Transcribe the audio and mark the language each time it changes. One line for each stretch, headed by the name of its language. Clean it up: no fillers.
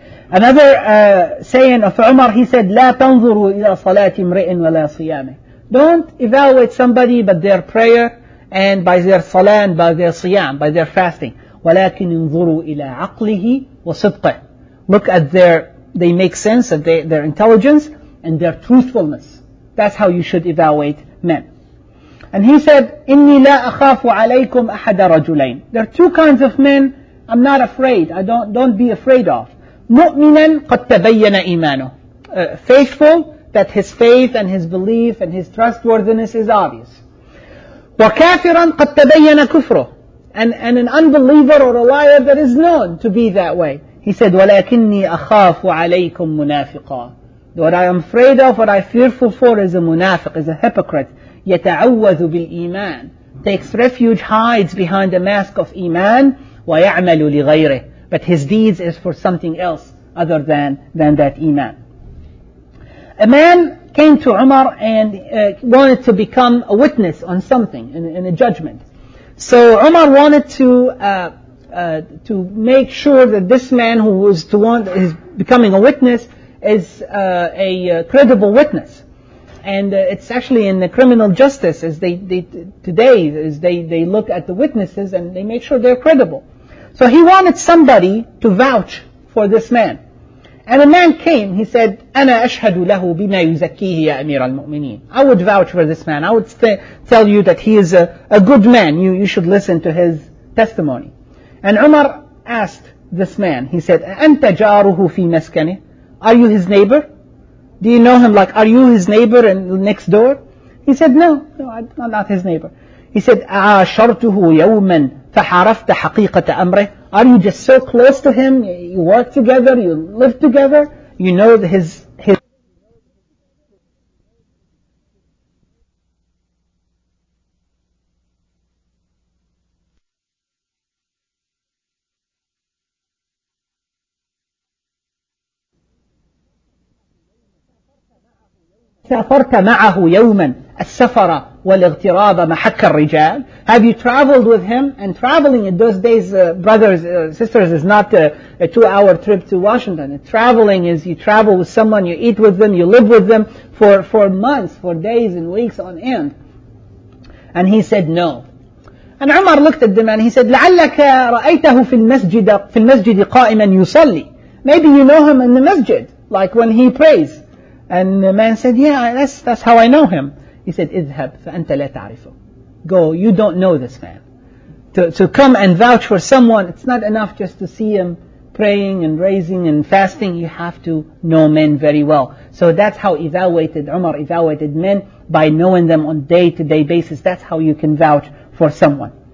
English: Another saying of Umar, he said,
Arabic: لَا تَنْظُرُوا إِلَى صَلَاتِ امْرِئٍ وَلَا صِيَامِ.
English: Don't evaluate somebody by their prayer and by their salah and by their siyam, by their fasting.
Arabic: ولكن انظروا إلى عقله وصدقه.
English: Look at they make sense of their intelligence and their truthfulness. That's how you should evaluate men. And he said,
Arabic: إني لا أخاف عليكم أحد رجلين.
English: There are two kinds of men I'm not afraid. I don't be afraid of.
Arabic: مؤمنا قد تبين إيمانه.
English: Faithful, that his faith and his belief and his trustworthiness is obvious.
Arabic: وَكَافِرًا قَدْ تَبَيَّنَ كُفْرُهُ.
English: And an unbeliever or a liar that is known to be that way. He said,
Arabic: وَلَكِنِّي أَخَافُ عَلَيْكُمْ مُنَافِقًا.
English: What I am afraid of, what I fearful for is a munafiq, is a hypocrite.
Arabic: يَتَعَوَّذُ بِالْإِيمَانِ.
English: Takes refuge, hides behind the mask of iman.
Arabic: وَيَعْمَلُ لِغَيْرِهِ.
English: But his deeds is for something else other than that iman. A man came to Umar and wanted to become a witness on something, in a judgment. So Umar wanted to make sure that this man who was to want is becoming a witness is a credible witness. And it's actually in the criminal justice, as they today look at the witnesses and they make sure they're credible. So he wanted somebody to vouch for this man. And a man came, he said,
Arabic: أَنَا أَشْهَدُ لَهُ بِمَا يُزَكِّيهِ يَا أَمِيرَ الْمُؤْمِنِينَ.
English: I would vouch for this man. I would tell you that he is a good man. You should listen to his testimony. And Umar asked this man, he said,
Arabic: أَنْتَ جَارُهُ فِي مَسْكَنِهِ.
English: Are you his neighbor? Do you know him? Like, are you his neighbor and next door? He said, no, I'm not his neighbor. He said,
Arabic: أَعَاشَرْتُهُ يَوْمًا فَحَرَفْتَ حَقِيقَةَ أَمْرِهِ.
English: Are you just so close to him? You work together, you live together, you know his.
Arabic: سافرت معه يوما السفر والاغتراب محك الرجال.
English: Have you traveled with him? And traveling in those days, brothers, sisters, is not a two-hour trip to Washington. Traveling is you travel with someone, you eat with them, you live with them for months, for days and weeks on end. And he said, no. And Umar looked at the man. He said,
Arabic: لعلك رأيته في المسجد قائما يصلي.
English: Maybe you know him in the masjid, like when he prays. And the man said, yeah, that's how I know him. He said,
Arabic: اذهب فأنت لا تعرفه.
English: Go, you don't know this man. To come and vouch for someone, it's not enough just to see him praying and raising and fasting. You have to know men very well. So that's how Umar evaluated men, by knowing them on day-to-day basis. That's how you can vouch for someone.